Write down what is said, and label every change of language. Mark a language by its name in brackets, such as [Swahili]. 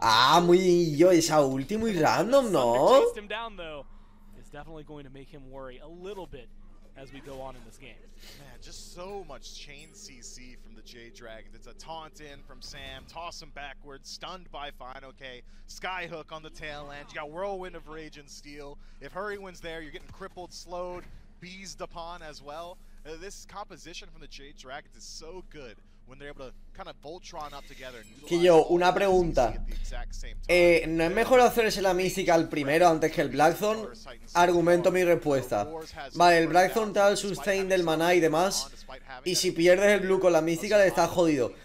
[Spanish] Ah, muy yo, esa ulti muy random, ¿no? [English] Chased him down, though. It's definitely going to make him worry a little bit as we go on in this game. Man, just so much chain CC from the Jade Dragons. It's a taunt in from Sam, toss him backwards, stunned by Fine, okay. Skyhook on the tail end. You got Whirlwind of Rage and Steel. If Hurrywind's there, you're getting crippled, slowed, beezed upon as well. This composition from the Jade Dragons is so good when they're able to kind of Voltron up together. [Spanish] Que yo, una pregunta. ¿No es mejor hacerse la mística al primero antes que el Blackthorn? Argumento mi respuesta. Vale, el Blackthorn te da el sustain del maná y demás. Y si pierdes el blue con la mística, le estás jodido.